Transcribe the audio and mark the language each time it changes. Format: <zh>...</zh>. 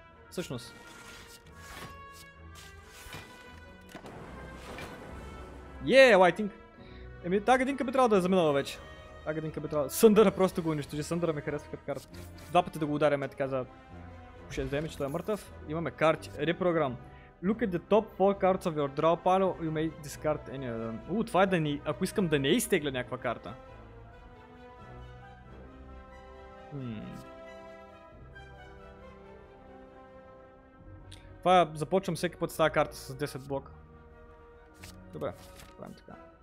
<bg>Всъщност.</bg> <en>Yeah, lighting!</en> <bg>Еми, тази гадинка би трябвало да е заминала вече. Тази гадинка би трябвало... Сундъра просто го унищежи. Сундъра ми харесва като карта. Два пъти да го ударяме, така за... 6 damage, той е мъртъв. Имаме карти. Репрограм.</bg> <en>Look at the top 4 cards of your draw pile, you may discard any of them.</en> <bg>Това е да ни... Ако искам да не изтегля някаква карта. Това е... Започвам всеки път с тази карта с 10 блок. Добре, правим така.</bg>